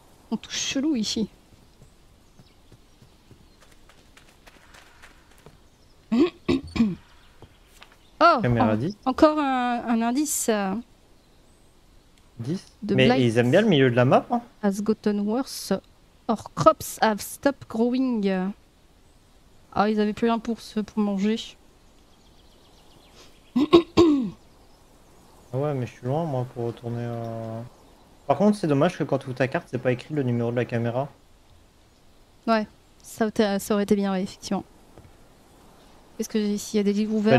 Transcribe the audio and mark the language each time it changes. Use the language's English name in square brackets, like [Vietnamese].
[French] On touche chelou ici. Oh, caméra 10. Encore un indice. 10 de Mais Blight. Ils aiment bien le milieu de la map. Hein. [English] Has gotten worse. Or crops have stopped growing. [French] Ah, ils avaient plus rien pour manger. Ouais, mais je suis loin moi pour retourner. Par contre, c'est dommage que quand tu ouvres ta carte, c'est pas écrit le numéro de la caméra. Ouais, ça aurait été bien, ouais, effectivement. Qu'est-ce que j'ai ici? Il y a des livres ouverts.